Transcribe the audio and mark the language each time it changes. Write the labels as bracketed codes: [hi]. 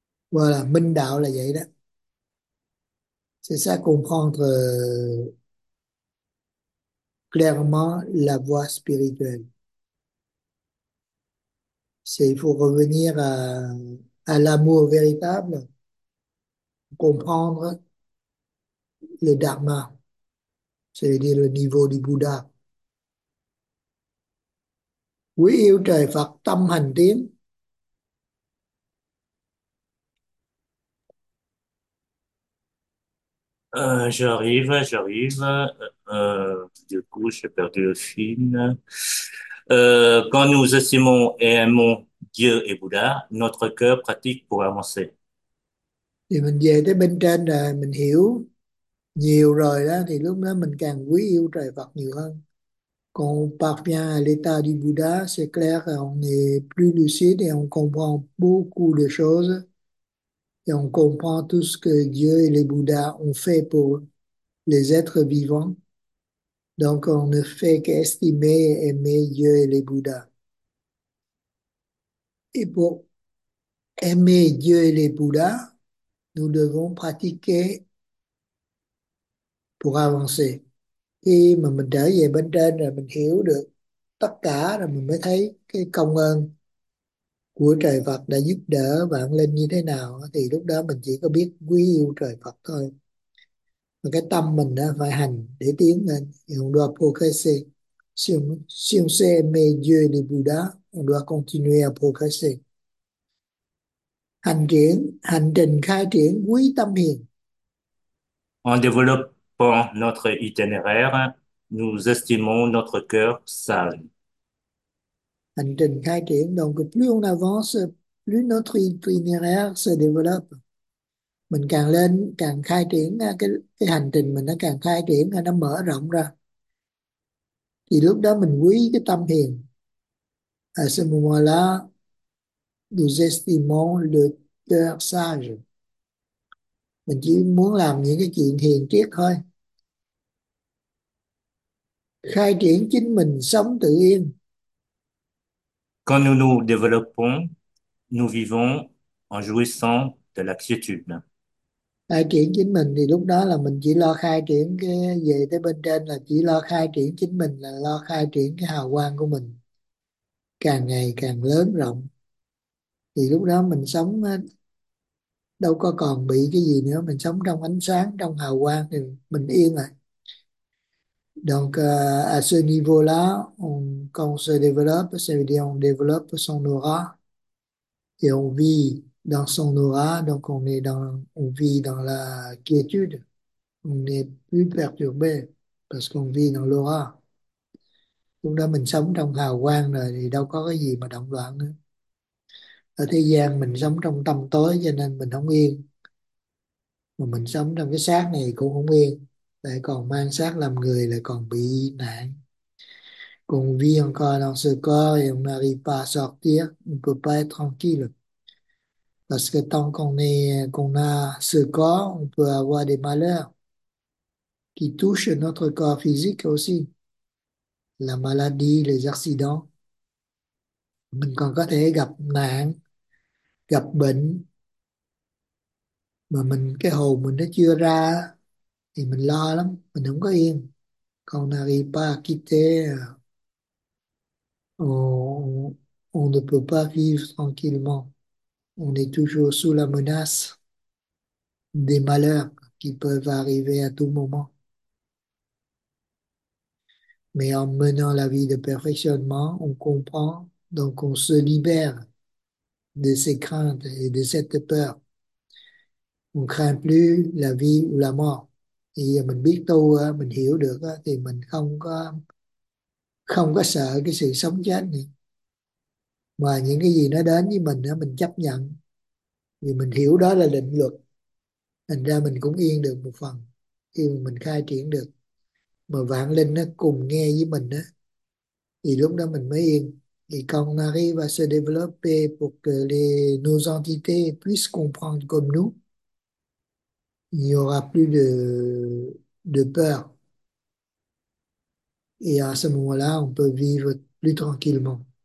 [fr] Voilà, [vi] minh đạo là vậy đó. [fr] C'est ça, comprendre clairement la voie spirituelle. C'est, il faut revenir à l'amour véritable, comprendre le dharma, c'est-à-dire le niveau du Bouddha. [vi] Quý yêu trời Phật tâm hành tiến. [fr] J'arrive, du coup, j'ai perdu le film. Quand nous estimons et aimons Dieu et Bouddha, notre cœur pratique pour avancer. [vi] Thì mình về tới bên trên rồi, mình hiểu nhiều rồi đó, thì lúc đó mình càng quý yêu trời Phật nhiều hơn. [fr] Còn on parvient à l'état du Bouddha, c'est clair, on est plus lucide et on comprend beaucoup de choses. Et on comprend tout ce que Dieu et les Bouddhas ont fait pour les êtres vivants. Donc on ne fait qu'estimer et aimer Dieu et les Bouddhas. Et pour aimer Dieu et les Bouddhas, nous devons pratiquer pour avancer. [vi] Khi mà mình trở về bên trên rồi mình hiểu được tất cả rồi mình mới thấy cái công ơn của trời Phật đã giúp đỡ bạn lên như thế nào, thì lúc đó mình chỉ có biết quý yêu trời Phật thôi. Và cái tâm mình đã phải hành để tiến lên. Hùng đoà phô khai xê. Siêu xê mê dươi đi bù đá. Hùng đoà continue phô khai xê. Hành trình khai triển quý tâm hiền. [fr] En développant notre itinéraire, nous estimons notre cœur sage. [vi] Hành trình khai triển, [fr] donc plus on avance, plus notre itinéraire se développe. [vi] Mình càng lên, càng khai triển cái hành trình mình nó càng khai triển, nó mở rộng ra. Thì lúc đó mình quý cái tâm hiền. [fr] À, ce moment-là, nous estimons le cœur sage. [vi] Mình chỉ muốn làm những cái chuyện hiền triết thôi. Khai triển chính mình sống tự yên. [fr] Quand nous nous développons, nous vivons en jouissant de la quiétude. [vi] Khai triển chính mình thì lúc đó là mình chỉ lo khai triển cái về tới bên trên, là chỉ lo khai triển chính mình, là lo khai triển cái hào quang của mình càng ngày càng lớn rộng. Thì lúc đó mình sống đâu có còn bị cái gì nữa, mình sống trong ánh sáng, trong hào quang thì mình yên rồi. [fr] Donc à ce niveau-là, on, quand on se développe, ça veut dire on développe son aura et on vit dans son aura, donc on vit dans la quiétude, on n'est plus perturbé parce qu'on vit dans l'aura. [vi] Lúc đó mình sống trong hào quang rồi thì đâu có cái gì mà động loạn nữa. Ở thế gian mình sống trong tâm tối cho nên mình không yên, mà mình sống trong cái xác này cũng không yên, lại còn mang xác làm người, lại còn bị nạn. [fr] Còn vie encore dans ce corps et on n'arrive pas à sortir, on peut pas être tranquille. Parce que tant qu'on a ce corps, on peut avoir des malheurs qui touchent notre corps physique aussi. La maladie, les accidents. Mình còn có thể gặp nạn, gặp bệnh. Mà mình cái hồn mình nó chưa ra thì mình lo lắm, mình không có yên. Quand on n'arrive pas à quitter, on ne peut pas vivre tranquillement. On est toujours sous la menace des malheurs qui peuvent arriver à tout moment. Mais en menant la vie de perfectionnement, on comprend, donc on se libère de ces craintes et de cette peur. On craint plus la vie ou la mort. [vi] Et mình biết tu, mình hiểu được thì mình không có sợ cái sự sống chết này. Mà những cái gì nó đến với mình chấp nhận. Vì mình hiểu đó là định luật. Thành ra mình cũng yên được một phần. Khi mình khai triển được. Mà vạn linh nó cùng nghe với mình đó. Thì lúc đó mình mới yên. [fr] Et quand on arrive à se développer pour que nos entités puissent comprendre comme nous, il n'y aura plus de peur. Et à ce moment-là, on peut vivre plus tranquillement.